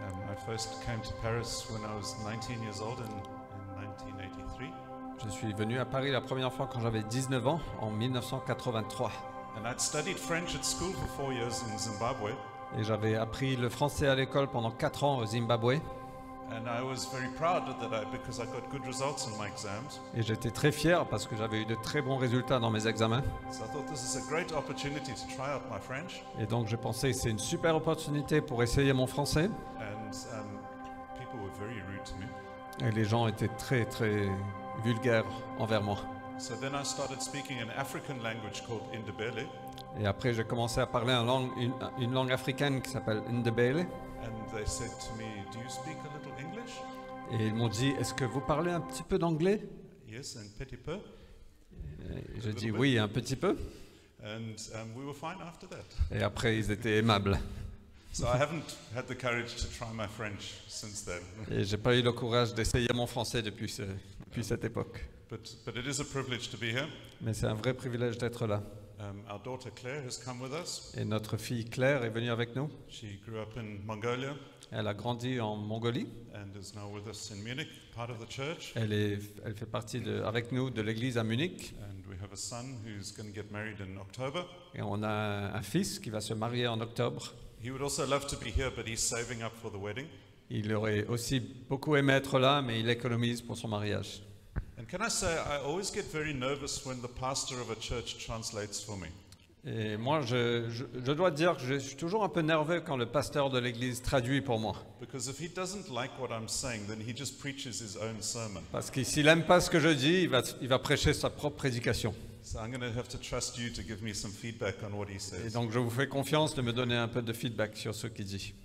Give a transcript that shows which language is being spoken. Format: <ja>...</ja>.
<en>I first came to Paris when I was 19 years old in 1983.</en> <fr>Je suis venu à Paris la première fois quand j'avais 19 ans en 1983.</fr> <en>And I'd studied French at school for 4 years in Zimbabwe.</en> <fr>Et j'avais appris le français à l'école pendant 4 ans au Zimbabwe.</fr> <en>And I was very proud of that because I got good results in my exams.</en> <fr>Et j'étais très fier parce que j'avais eu de très bons résultats dans mes examens.</fr> <en>So I thought this is a great opportunity to try out my French.</en> <fr>Et donc j'ai pensé c'est une super opportunité pour essayer mon français.</fr> <en>And people were very rude to me.</en> <fr>Et les gens étaient très très vulgaires envers moi.</fr> <en>So then I started speaking an African language called Ndebele.</en> <fr>Et après j'ai commencé à parler une langue africaine qui s'appelle Ndebele.</fr> <en>And they said to me, "Do you speak a little English?"</en> <fr>Et ils m'ont dit, est-ce que vous parlez un petit peu d'anglais?</fr> <en>Yes, and</en> <fr>petit peu. Je dis oui, un petit peu.</fr> <en>And we were fine after that.</en> <fr>Et après ils étaient aimables.</fr> <en>So I haven't had the courage to try my French since then.</en> <fr>Et j'ai pas eu le courage d'essayer mon français depuis cette époque.</fr> <en>But it is a privilege to be here.</en> <fr>Mais c'est un vrai privilège d'être là.</fr> <en>Our daughter Claire has come with us.</en> <fr>Et notre fille Claire est venue avec nous.</fr> <en>She grew up in Mongolia.</en> <fr>Elle a grandi en Mongolie.</fr> <en>And is now with us in Munich, part of the church.</en> <fr>Elle fait partie avec nous de l'église à Munich.</fr> <en>And we have a son who's going to get married in October.</en> <fr>Et on a un fils qui va se marier en octobre.</fr> <en>He would also love to be here, but he's saving up for the wedding.</en> <fr>Il aurait aussi beaucoup aimé être là, mais il économise pour son mariage.</fr> <en>And can I say I always get very nervous when the pastor of a church translates for me.</en> <fr>Et moi je dois dire que je suis toujours un peu nerveux quand le pasteur de l'église traduit pour moi.</fr> <en>Because if he doesn't like what I'm saying, then he just preaches his own sermon.</en> <fr>Parce que s'il aime pas ce que je dis, il va prêcher sa propre prédication.</fr> <en>So I'm going to have to trust you to give me some feedback on what he says.</en> <fr>Et donc je vous fais confiance de me donner un peu de feedback sur ce qu'il dit.</fr>